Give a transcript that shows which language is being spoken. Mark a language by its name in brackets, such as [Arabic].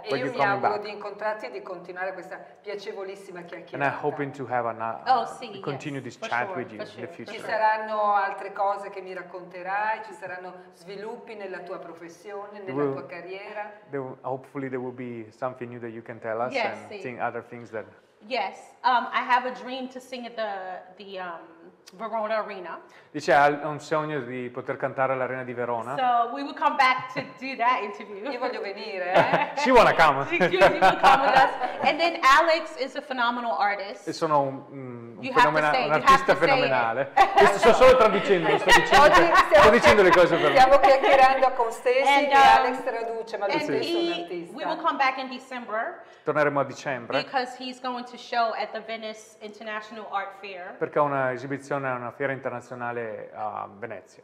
[Italian] E io mi auguro di incontrarti e di continuare questa piacevolissima chiacchierata. [English] And I'm hoping to have continue this chat with you in the future. [Italian] Ci saranno altre cose che mi racconterai, ci saranno sviluppi nella tua professione, nella tua carriera. [English] Hopefully there will be something new that you can tell us other things that... Yes, I have a dream to sing at the Verona Arena. [Italian] Dice ha un sogno di poter cantare all'Arena di Verona. [English] So we will come back to do that interview. [Italian] Io voglio venire. [English] She wanna come. She will come with us. And then Alex is a phenomenal artist. [Italian] E sono un artista fenomenale. Sto solo traducendo, sto dicendo le cose per me. Stiamo chiacchierando con Stacy and Alex traduce, ma lui è un artista. [English] We will come back in December. [Italian] Torneremo a dicembre. [English] Because he's going to show at the Venice International Art Fair. [Italian] Perché ha una esibizione a una fiera internazionale a Venezia.